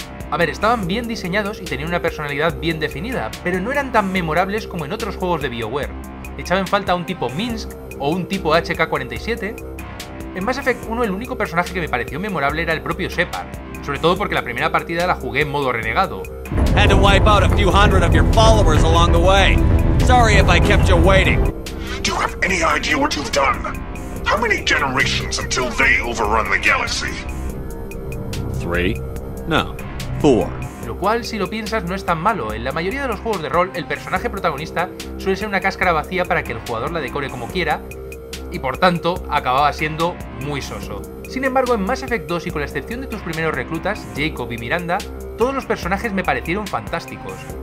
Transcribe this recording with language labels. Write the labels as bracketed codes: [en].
[es] A ver, estaban bien diseñados y tenían una personalidad bien definida, pero no eran tan memorables como en otros juegos de BioWare. ¿Echaba en falta un tipo Minsk o un tipo HK-47? En Mass Effect 1 el único personaje que me pareció memorable era el propio Shepard, sobre todo porque la primera partida la jugué en modo renegado. [en] Had to wipe out a few hundred of your followers along the way. Sorry if I kept you waiting. Do you have any idea what you've done? How many generations until they overrun the galaxy? 3? No. 4. [es] Lo cual, si lo piensas, no es tan malo. En la mayoría de los juegos de rol, el personaje protagonista suele ser una cáscara vacía para que el jugador la decore como quiera, y por tanto, acababa siendo muy soso. Sin embargo, en Mass Effect 2, y con la excepción de tus primeros reclutas, Jacob y Miranda, todos los personajes me parecieron fantásticos.